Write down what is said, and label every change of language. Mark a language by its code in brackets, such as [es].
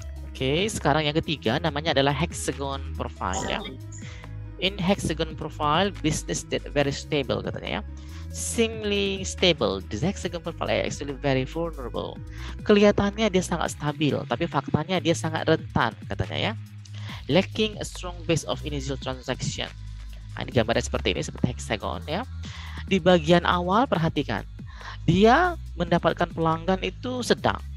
[id] Oke, sekarang yang ketiga namanya adalah hexagon profile ya. [en] In hexagon profile business that very stable [id] katanya ya. [en] Seemingly stable, this hexagon profile is actually very vulnerable. [id] Kelihatannya dia sangat stabil, tapi faktanya dia sangat rentan, katanya ya. [en] Lacking a strong base of initial transaction. [id] Nah, ini gambarnya seperti ini, seperti hexagon ya. Di bagian awal, perhatikan. Dia mendapatkan pelanggan itu sedang.